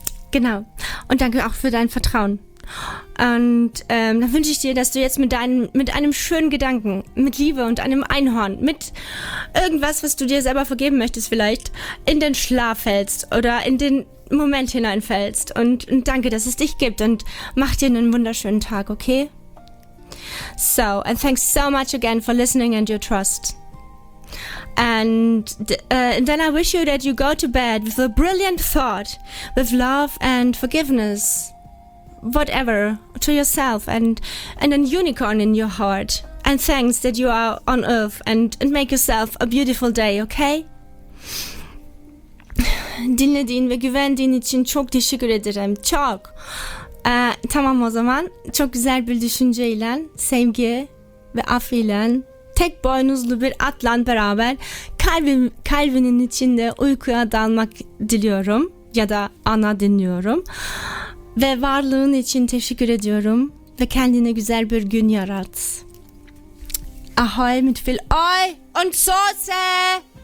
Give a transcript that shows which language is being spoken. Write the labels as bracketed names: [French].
[German] Genau, und danke auch für dein Vertrauen. Und dann wünsche ich dir, dass du jetzt mit einem schönen Gedanken, mit Liebe und einem Einhorn, mit irgendwas, was du dir selber vergeben möchtest vielleicht, in den Schlaf fällst oder in den Moment hineinfällst. Und danke, dass es dich gibt, und mach dir einen wunderschönen Tag, okay? [English] So, and thanks so much again for listening and your trust. And then I wish you that you go to bed with a brilliant thought, with love and forgiveness, whatever, to yourself and an unicorn in your heart. And thanks that you are on Earth, and make yourself a beautiful day, okay? [Turkish] Dinlediğin ve güvendiğin için çok teşekkür ederim. Çok. Tamam o zaman. Çok güzel bir düşünceyle, sevgi ve affıyla, tek boynuzlu bir atla beraber kalbinin içinde uykuya dalmak diliyorum. Ya da ana dinliyorum. Ve varlığın için teşekkür ediyorum. Ve kendine güzel bir gün yarat. [German] Ahoy mit viel Ay und Soße!